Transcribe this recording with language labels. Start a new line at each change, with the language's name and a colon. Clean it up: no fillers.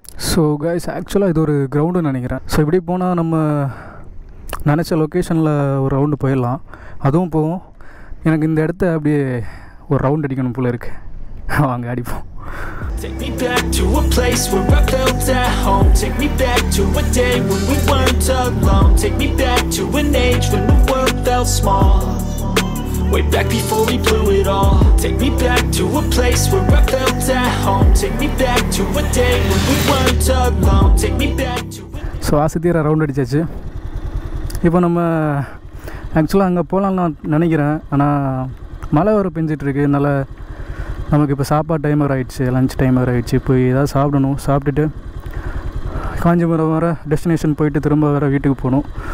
Tamil: So guys, ஆக்சுவலாக இது ஒரு கிரவுண்டுன்னு நினைக்கிறேன். ஸோ இப்படி போனால் நம்ம நினச்ச லொக்கேஷனில் ஒரு ரவுண்டு போயிடலாம், அதுவும் போவோம். எனக்கு இந்த இடத்த அப்படியே ஒரு ரவுண்ட் அடிக்கணும் போல இருக்கு, வாங்க அடிப்போம்.
English: Take me back to a place where I felt at home. Take me back to a day when we weren't alone. Take me back to an age when the world felt small. way back before we blew it all. Take me back to a place where I felt at home. Take me back to a day when we weren't alone. Take me back to a... So Asithir around it, Jajji.
Tamil: இப்போ நம்ம ஆக்சுவலாக அங்கே போகலான்னு நான் நினைக்கிறேன். ஆனால் மழை வர பெஞ்சிட்ருக்கு, அதனால் நமக்கு இப்போ சாப்பாடு டைமர் ஆகிடுச்சு, லஞ்ச் டைமர் ஆகிடுச்சு. இப்போ ஏதாவது சாப்பிடணும், சாப்பிட்டுட்டு காஞ்சிபுரம் வர டெஸ்டினேஷன் போயிட்டு திரும்ப வர வீட்டுக்கு போகணும்.